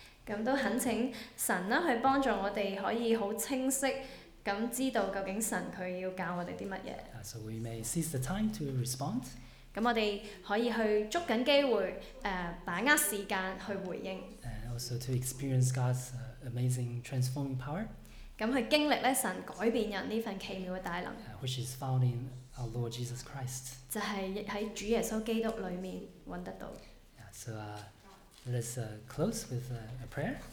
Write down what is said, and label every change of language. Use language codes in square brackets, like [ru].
[yue] 咁都恳请神啦，去帮助我哋可以好清晰咁知道究竟神佢要教我哋啲乜嘢。 [en] So we may seize the time to respond. [yue] 咁我哋可以去捉紧机会，把握时间去回应。 [en] And also to experience God's amazing transforming power. [yue] 咁去经历咧神改变人呢份奇妙嘅大能。 [en] Which is found in our Lord Jesus Christ. [yue] 就系喺主耶稣基督里面揾得到。 [en] So let's close with a prayer.